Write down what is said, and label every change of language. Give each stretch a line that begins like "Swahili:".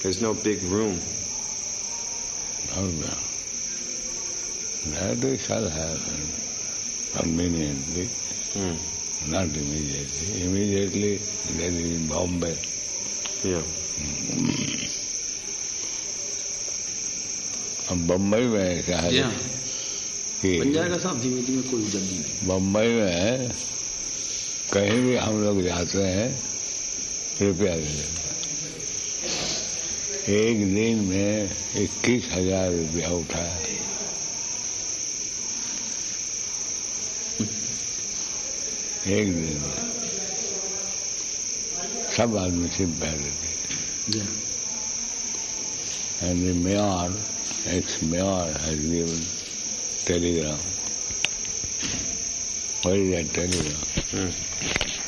English: There's no big room. Oh, no. That shall happen conveniently. Not immediately. Immediately, then in Bombay.
Hindi: Bombay में क्या है?
English: Yeah.
Hindi: Punjab ka sab dhime dhime koi jaldi nahi. Bombay में कहीं भी हम लोग जाते हैं, रुपया ले लेते। एक दिन में 21,000 रुपया उठाया। एक दिन में। सब आदमी से पहले।
English: Yeah. And the mayor, ex-mayor, has given telegram. What is that telegram?